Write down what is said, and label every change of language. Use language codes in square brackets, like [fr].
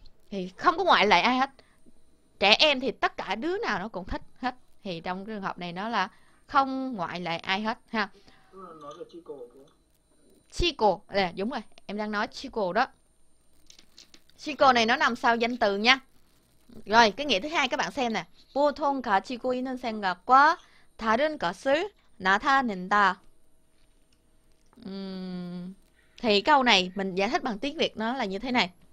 [vi] Thì không có ngoại lệ ai hết. Trẻ em thì tất cả đứa nào nó cũng thích hết. Thì trong trường hợp này nó là không ngoại lệ ai hết ha. Nói là chi cổ đúng không? Chico, à, đúng rồi, em đang nói chico đó. Chico này nó nằm sau danh từ nha. Rồi, cái nghĩa thứ hai các bạn xem nè. [ko] 보통 가지고 있는 생각과 다른 것을 나타낸다. [vi] Thì câu này mình giải thích bằng tiếng Việt nó là như thế này.